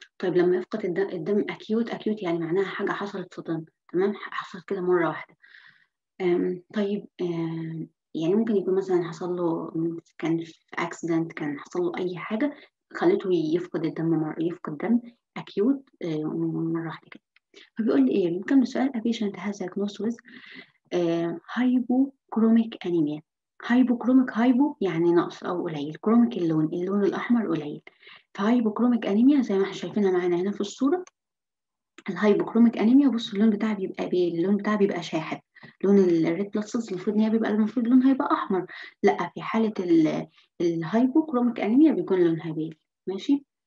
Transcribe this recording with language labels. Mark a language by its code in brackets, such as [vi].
[ar] طيب لما يفقد الدم أكيوت يعني معناها حاجة حصلت في الدم تمام، حصلت كده مرة واحدة. طيب يعني ممكن يكون مثلا حصل له كان في أكسيدنت، كان حصل له أي حاجة خلته يفقد الدم مرة، يفقد دم أكيوت مرة واحدة كده. فبيقول لي ايه؟ ممكن السؤال [en] A patient has diagnosed with hypochromic anemia. [ar] hypochromic hypo يعني نقص او قليل، كروميك اللون الاحمر قليل. فهايبوكروميك انيميا زي ما احنا شايفينها معانا هنا في الصوره، الهايبوكروميك انيميا بص اللون بتاعها بيبقى ايه؟ اللون بتاعها بيبقى شاحب، لون الريد بلاد سيلز المفروض ان هي بيبقى المفروض لونها يبقى احمر، لا في حاله الهايبوكروميك انيميا بيكون لونها بيل ماشي.